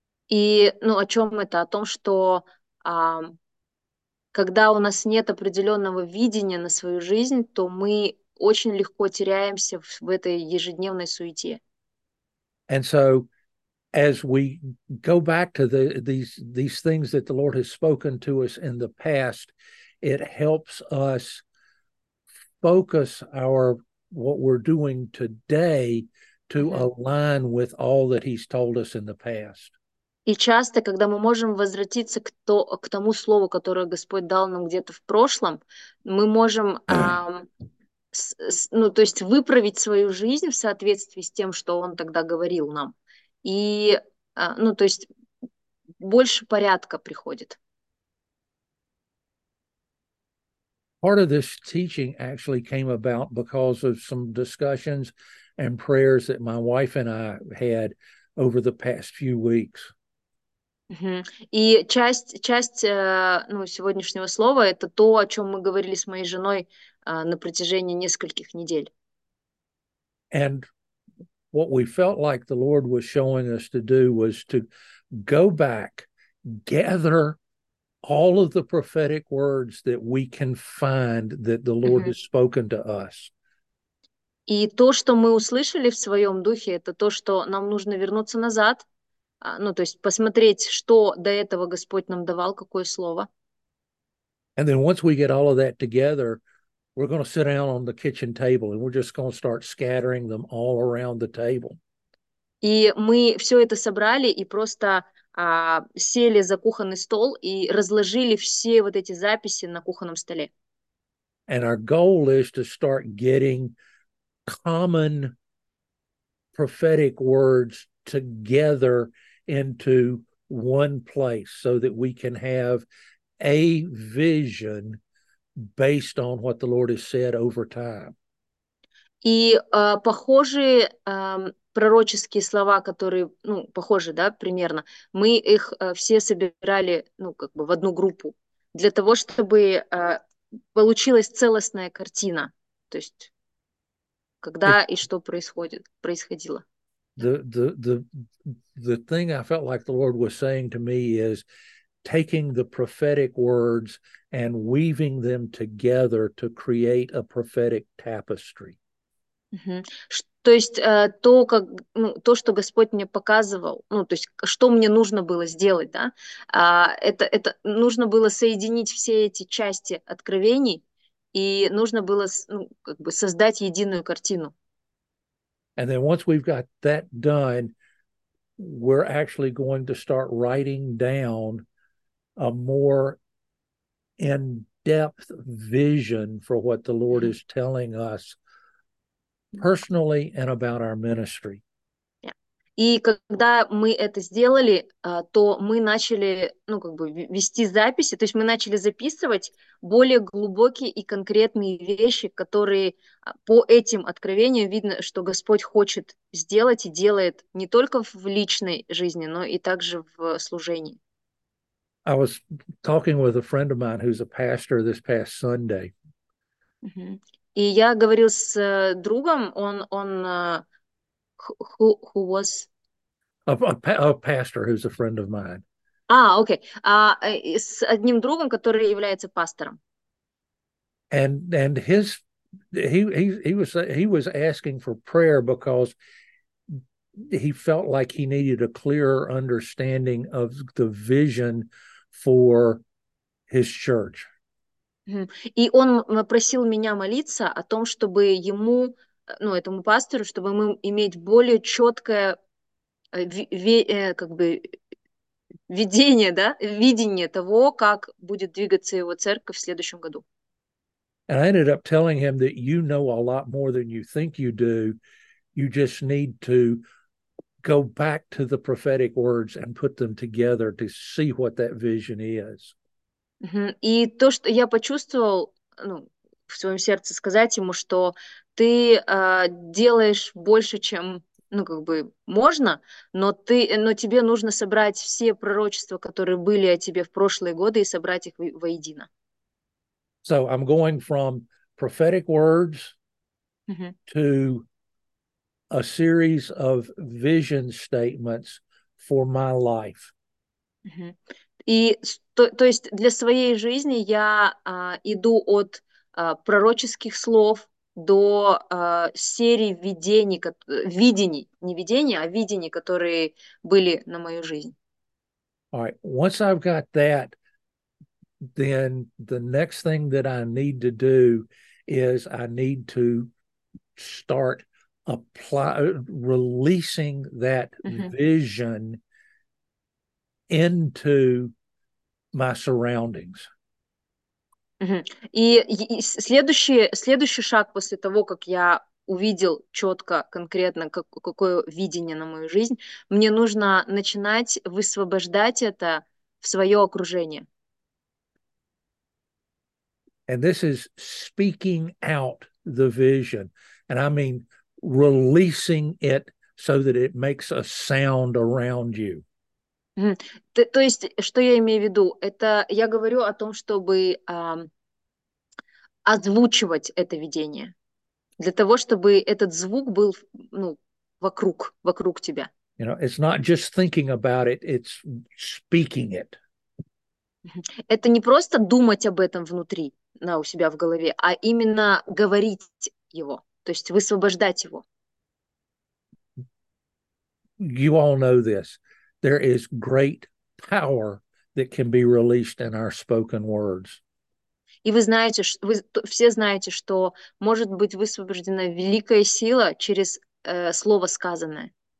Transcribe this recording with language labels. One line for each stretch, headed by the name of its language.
Russian: И, ну, о чем это? О том, что когда у нас нет определенного видения на свою жизнь, то мы очень легко теряемся в этой ежедневной суете.
English: And so, as we go back to these things that the Lord has spoken to us in the past, it helps us focus our what we're doing today to align with all that He's told us in the past.
Russian: И часто, когда мы можем возвратиться к тому слову, которое Господь дал нам где-то в прошлом, мы можем, ну, то есть выправить свою жизнь в соответствии с тем, что Он тогда говорил нам. И, ну, то есть больше порядка приходит.
English: Part of this teaching actually came about because of some discussions and prayers that my wife and I had over the past few weeks.
Russian: И часть ну, сегодняшнего слова – это то, о чем мы говорили с моей женой на протяжении нескольких недель.
English: And what we felt like the Lord was showing us to do was to go back, gather all of the prophetic words that we can find that the Lord has spoken to us.
Russian: И то, что мы услышали в своем духе, это то, что нам нужно вернуться назад. Ну, то есть посмотреть, что до этого Господь нам давал, какое слово.
English: And then once we get all of that together, we're going to sit down on the kitchen table and we're just going to start scattering them all around the table.
Russian: И мы все это собрали и просто сели за кухонный стол и разложили все вот эти записи на кухонном столе.
English: And our goal is to start getting common prophetic words together into one place so that we can have a vision based on what the Lord has said over time.
Russian: И похожие пророческие слова, которые, ну, похожи, да, примерно, мы их все собирали, ну, как бы в одну группу, для того, чтобы получилась целостная картина, то есть когда и что происходило.
English: The thing I felt like the Lord was saying to me is taking the prophetic words and weaving them together to create a prophetic tapestry.
Russian: То есть то, как, ну, то, что Господь мне показывал, ну, то есть что мне нужно было сделать, да, это нужно было соединить все эти части откровений, и нужно было, ну, как бы создать единую картину.
English: And then once we've got that done, we're actually going to start writing down a more in-depth vision for what the Lord is telling us personally and about our ministry. Yeah.
Russian: И когда мы это сделали, то мы начали, ну, как бы вести записи, то есть мы начали записывать более глубокие и конкретные вещи, которые по этим откровениям видно, что Господь хочет сделать и делает не только в личной жизни, но и также в служении.
English: I was talking with a friend of mine who's a pastor this past Sunday.
Russian: И я говорил с другом, он
English: who was? A pastor who's a friend of mine.
Russian: С одним другом, который является пастором.
English: And his he was asking for prayer because he felt like he needed a clearer understanding of the vision for his church.
Russian: И он просил меня молиться о том, чтобы ему, ну, этому пастору, чтобы мы иметь более четкое как бы видение, да, видение того, как будет двигаться его церковь в следующем году.
English: And I ended up telling him that you know a lot more than you think you do. You just need to go back to the prophetic words and put them together to see what that vision is.
Russian: И то, что я почувствовал, ну, в своем сердце сказать ему, что ты делаешь больше, чем, ну, как бы можно, но тебе нужно собрать все пророчества, которые были о тебе в прошлые годы, и собрать их воедино.
English: So I'm going from prophetic words to a series of vision statements for my life.
Russian: И то есть для своей жизни я иду от пророческих слов до серии видений, не видений, а видений, которые были на мою жизнь.
English: All right, once I've got that, then the next thing that I need to do is I need to start apply releasing that vision into my surroundings.
Russian: И следующий шаг после того, как я увидел четко, конкретно, какое видение на мою жизнь, мне нужно начинать высвобождать это в свое окружение.
English: And this is speaking out the vision, and I mean releasing it so that it makes a sound around you.
Russian: То есть, что я имею в виду? Это я говорю о том, чтобы озвучивать это видение, для того, чтобы этот звук был, ну, вокруг тебя.
English: You know, it's not just thinking about it, it's speaking it.
Russian: Это не просто думать об этом внутри, у себя в голове, а именно говорить его, то есть высвобождать его.
English: You all know this. There is great power that can be released in our spoken words.
Russian: И вы знаете, вы все знаете, что может быть высвобождена великая сила через слово сказанное.